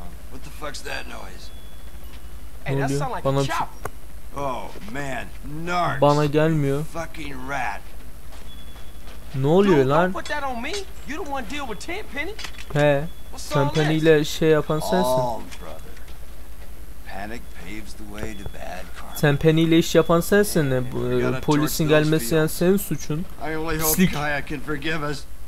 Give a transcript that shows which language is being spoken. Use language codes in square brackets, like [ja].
[en] What the fuck's that noise? Hey, that sound like a chop. Oh man, narc. [tr] Bana gelmiyor. [en] Fucking rat. [tr] Ne oluyor lan? [en] Put that on me. You don't want to deal with Tenpenny. He. [tr] Tenpenny ile şey yapan sensin. [en] Panic paves the way to bad karma. [tr] Tenpenny ile iş yapan sensin. Polisin gelmesi yani senin suçun. [en] I only hope Kaya can forgive us.